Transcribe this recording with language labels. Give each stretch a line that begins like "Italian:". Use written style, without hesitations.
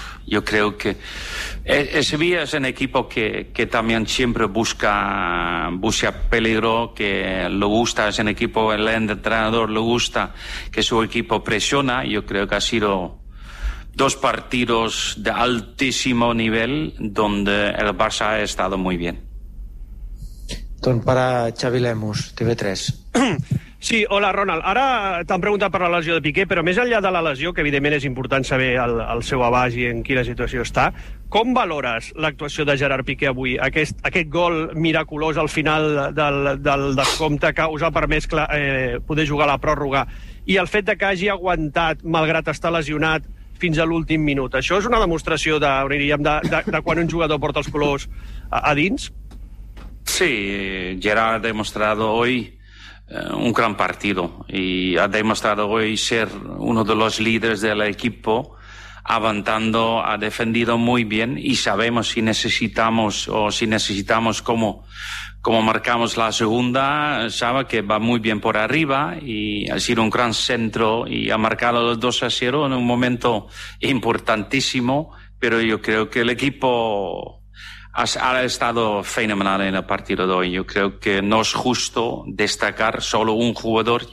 Spanish: Yo creo que Sevilla es un equipo que también siempre busca peligro, que lo gusta, es un equipo, el entrenador lo gusta, que su equipo presiona. Yo creo que ha sido 2 partidos de altísimo nivel donde el Barça ha estado muy bien. Don para Xavi Lemus, TV3.
Catalan: Sí, hola Ronald, ara t'han preguntat per la lesió de Piqué, però més enllà de la lesió, que evidentment és important saber el seu abast i en quina situació està, com valores l'actuació de Gerard Piqué avui? Aquest gol miraculós al final del descompte que us ha permès poder jugar a la pròrroga i el fet de que hagi aguantat malgrat estar lesionat fins a l'últim minut, això és una demostració de quan un jugador porta els colors a dins?
Spanish: Sí, Gerard ha demostrado hoy un gran partido y ha demostrado hoy ser uno de los líderes del equipo, avanzando, ha defendido muy bien y sabemos si necesitamos como marcamos la segunda, sabe que va muy bien por arriba y ha sido un gran centro y ha marcado los 2-0 en un momento importantísimo, pero yo creo que el equipo ha estado fenomenal en el partido de hoy. Yo creo que no es justo destacar solo un jugador.